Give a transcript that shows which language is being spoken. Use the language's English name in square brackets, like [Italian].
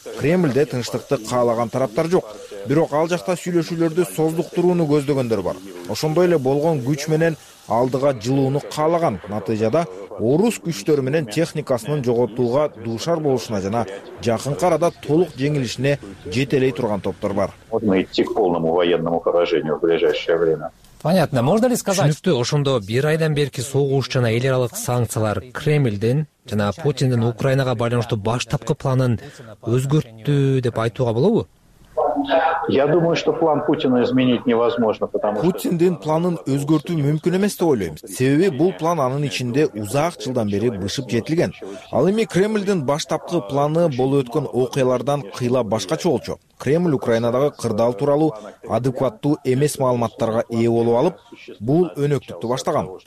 [Kyrgyz] Кремльде тынчтыкты каалаган тараптар жок, бирок ал жакта сүйлөшүүлөрдү создуктурууну көздөгөндөр бар. Ошондой эле болгон күч менен алдыга жылууну каалаган. Натыйжада орус күчтөрү менен техникасынын жоготууга дуушар болушуна жана жакынкы арада толук жеңилишине жетелей турган топтор бар. [Russian] Можно идти к полному военному поражению в ближайшее время. Понятно. Можно ли сказать? [Kyrgyz] Түшүнүктүү. Ошондо бир айдан берки согуш жана эл аралык санкциялар Кремлдин жана Путиндин Украинага байланыштуу баштапкы планын өзгөрттү деп айтууга болобу? [Russian] Я думаю, что план Путина изменить невозможно, потому что [Kyrgyz] Путиндин планын өзгөртүү мүмкүн эмес деп ойлойм. Себеби бул план анын ичинде узак жылдан бери бышып жетилген. Ал эми Кремлдин баштапкы планы болуп өткөн окуялардан кыйла башкача болчу. Кремль Украинадагы кырдаал тууралуу адекваттуу эмес маалыматтарга ээ болуп алып, бул өнөктүктү баштаган.